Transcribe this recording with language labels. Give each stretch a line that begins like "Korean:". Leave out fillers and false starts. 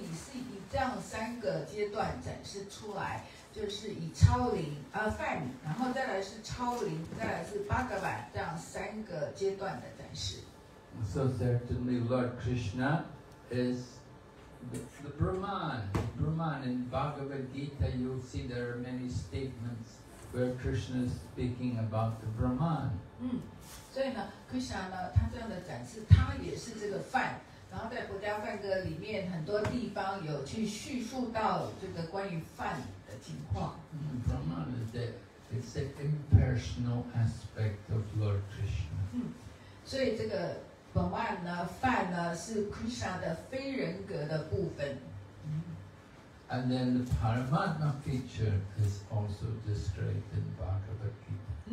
Chinese: 所以在这个瓦坛这个梵歌当中就描述了，就是说，有学问的人在学习绝对真理，而且也知道绝对真理是以这样三个阶段展示出来。就是以超灵，梵，然后再来是超灵，再来是巴格瓦，这样三个阶段的展示。
English: So certainly Lord Krishna is the Brahman. Brahman in Bhagavad Gita, you'll see there are many statements where Krishna is speaking about the Brahman.
Chinese: 所以呢 ，Krishna 呢，他这样的展示，他也是这个梵，然后在佛家梵歌里面很多地方有去叙述到这个关于梵。
English: Brahman is the, it's the impersonal aspect of Lord Krishna.
Chinese: 所以这个本万呢，梵呢，是Krishna的非人格的部分。
English: And then the Paramatma feature is also described in Bhagavad Gita.